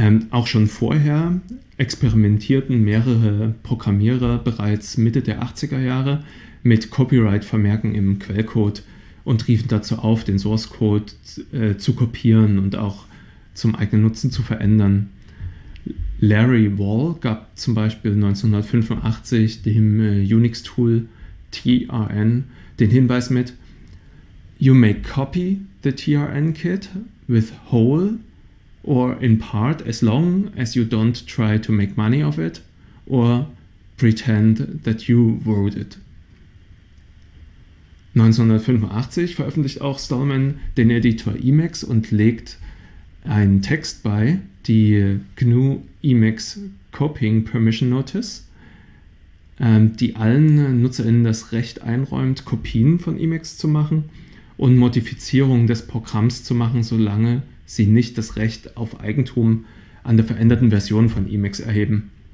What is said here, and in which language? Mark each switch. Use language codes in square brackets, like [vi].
[de] Auch schon vorher experimentierten mehrere Programmierer bereits Mitte der 80er Jahre mit Copyright-Vermerken im Quellcode und riefen dazu auf, den Source-Code zu kopieren und auch zum eigenen Nutzen zu verändern. Larry Wall gab zum Beispiel 1985 dem Unix-Tool TRN den Hinweis mit: [en] You may copy the TRN kit with whole or in part as long as you don't try to make money off it or pretend that you wrote it. [de] 1985 veröffentlicht auch Stallman den Editor Emacs und legt einen Text bei, die GNU Emacs Copying Permission Notice, die allen NutzerInnen das Recht einräumt, Kopien von Emacs zu machen und Modifizierungen des Programms zu machen, solange sie nicht das Recht auf Eigentum an der veränderten Version von Emacs erheben.